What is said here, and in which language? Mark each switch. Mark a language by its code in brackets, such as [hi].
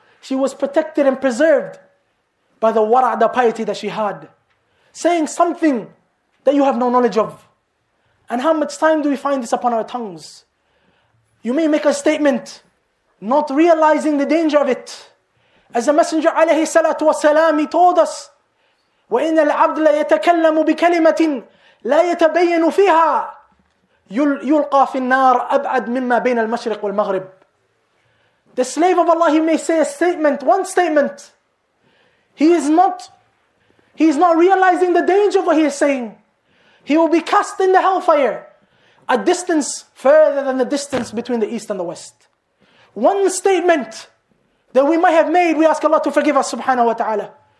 [en] She was protected and preserved by the wara', the piety that she had. Saying something that you have no knowledge of. And how much time do we find this upon our tongues? You may make a statement, not realizing the danger of it. As the Messenger alayhi salatu wasalam, he told us, [ar] وَإِنَّ الْعَبْدَ لَيَتَكَلَّمُ بِكَلِمَةٍ لَا يَتَبَيَّنُ فِيهَا يُلْقَى فِي النَّارِ أَبْعَدْ مِمَّا بَيْنَ الْمَشْرِقِ وَالْمَغْرِبِ. [en] The slave of Allah, he may say a statement, one statement. He is not realizing the danger of what he is saying. He will be cast in the hellfire, a distance further than the distance between the East and the West. One statement that we might have made, we ask Allah to forgive us, subhanahu wa ta'ala.